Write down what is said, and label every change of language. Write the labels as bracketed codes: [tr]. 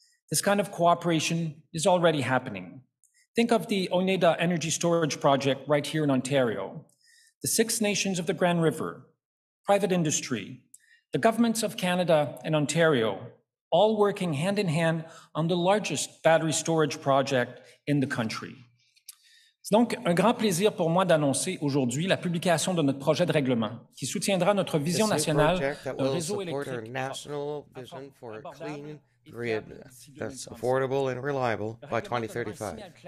[en] This kind of cooperation is already happening. Think of the Oneida Energy Storage Project right here in Ontario. The Six Nations of the Grand River, private industry, the governments of Canada and Ontario, all working hand in hand on the largest battery storage project in the country. [fr] C'est donc un grand plaisir pour moi d'annoncer aujourd'hui la publication de notre projet de règlement qui soutiendra notre vision nationale d'un réseau électrique. [en] Our national vision for a clean grid that's affordable and reliable by 2035.